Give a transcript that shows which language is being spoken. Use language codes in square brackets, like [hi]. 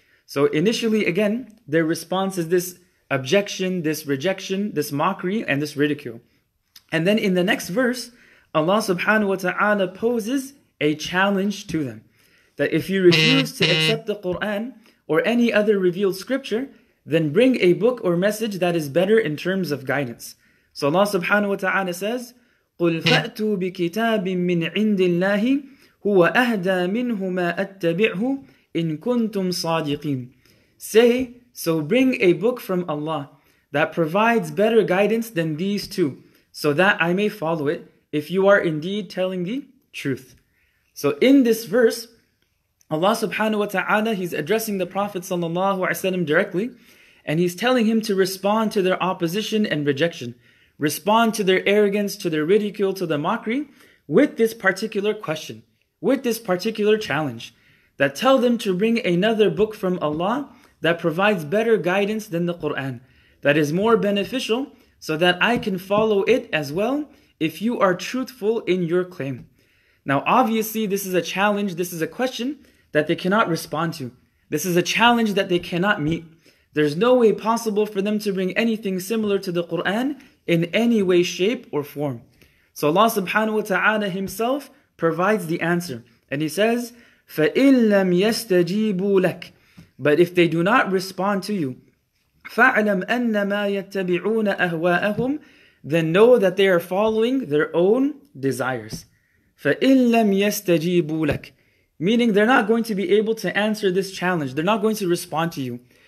[en] So initially, again, their response is this objection, this rejection, this mockery, and this ridicule. And then in the next verse, Allah subhanahu wa ta'ala poses a challenge to them, that if you refuse to accept the Qur'an or any other revealed scripture, then bring a book or message that is better in terms of guidance. So Allah subhanahu wa ta'ala says, [ar] قُلْ فَأْتُوا بِكِتَابٍ مِّنْ عِنْدِ اللَّهِ هُوَ أَهْدَى مِنْهُمَا أَتَّبِعْهُ إِنْ كُنْتُمْ صَادِقِينَ. [en] Say, so bring a book from Allah that provides better guidance than these two, so that I may follow it, if you are indeed telling the truth. So in this verse, Allah subhanahu wa ta'ala, he's addressing the Prophet sallallahu alaihi wasallam directly, and he's telling him to respond to their opposition and rejection, respond to their arrogance, to their ridicule, to their mockery, with this particular question, with this particular challenge, that tell them to bring another book from Allah that provides better guidance than the Qur'an, that is more beneficial, so that I can follow it as well, if you are truthful in your claim. Now obviously this is a challenge, this is a question that they cannot respond to. This is a challenge that they cannot meet. There's no way possible for them to bring anything similar to the Qur'an in any way, shape, or form. So Allah subhanahu wa ta'ala himself provides the answer. And he says, [ar] فَإِن لَمْ يَسْتَجِيبُوا لَكَ. [en] But if they do not respond to you, [ar] فَاعْلَمْ أَنَّمَا يَتَّبِعُونَ أَهْوَاءَهُمْ. [en] Then know that they are following their own desires. [ar] فَإِن لَمْ يَسْتَجِيبُوا لَكَ. [en] Meaning they're not going to be able to answer this challenge. They're not going to respond to you.